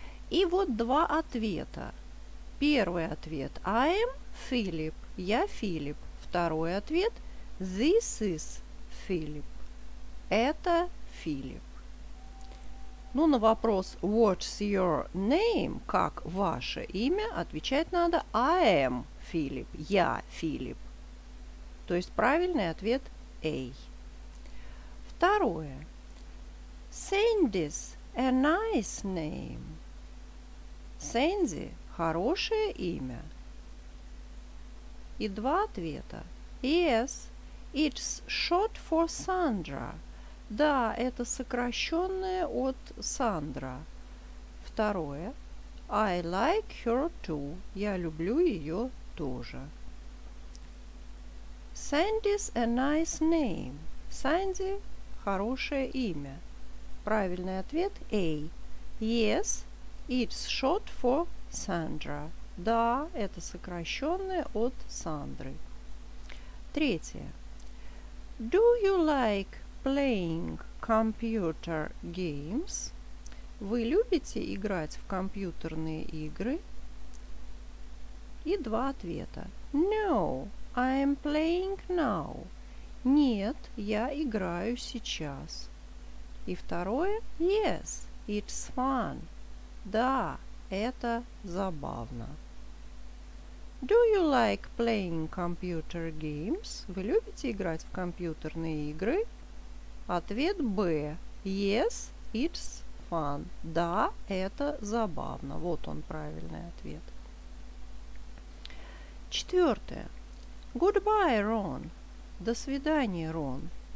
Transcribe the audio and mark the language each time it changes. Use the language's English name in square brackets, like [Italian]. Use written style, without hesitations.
[Russian] И вот два ответа. Первый ответ. [English] I am Philip. [Russian] Я Филипп. Второй ответ. [English] This is Philip. [Russian] Это Филипп. Ну, на вопрос [English] What's your name? [Russian] Как ваше имя? Отвечать надо [English] I am Philip. [Russian] Я Филипп. То есть правильный ответ A. Второе. [English] Sandy's a nice name. [Russian] Sandy – хорошее имя. И два ответа. [English] Yes, it's short for Sandra. [Russian] Да, это сокращенное от Сандра. Второе. [English] I like her too. [Russian] Я люблю ее тоже. [English] Sandy's a nice name. [Russian] Sandy – хорошее имя. Правильный ответ A. [English] Yes, it's short for Sandra. [Russian] Да, это сокращенное от Сандры. Третье. [English] Do you like playing computer games? [Russian] Вы любите играть в компьютерные игры? И два ответа. [English] No, I'm playing now. [Russian] Нет, я играю сейчас. И второе. [English] Yes, it's fun. [Russian] Да, это забавно. [English] Do you like playing computer games? [Russian] Вы любите играть в компьютерные игры? Ответ Б. [English] Yes, it's fun. [Russian] Да, это забавно. Вот он правильный ответ. Четвертое. [English] Goodbye, Ron. [Russian] До свидания, Рон.